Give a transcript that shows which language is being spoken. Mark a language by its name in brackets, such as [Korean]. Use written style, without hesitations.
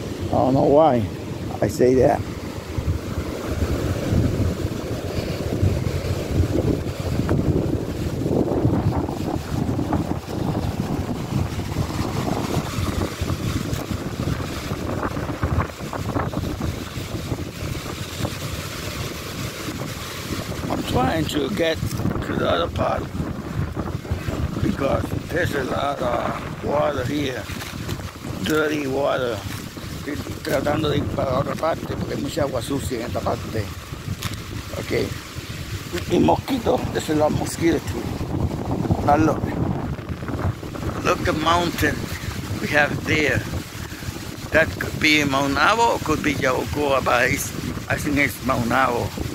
[English] I don't know why I say that. Trying to get to the other part because there's a lot of water here, dirty water. [Spanish] Tratando de ir para otra parte porque hay mucha agua sucia en esta parte. [English] Okay. Y mosquitos, this is a lot of mosquitoes too. Now look. Look at the mountain we have there. That could be Maunabo or could be Yabucoa, but I think it's Maunabo.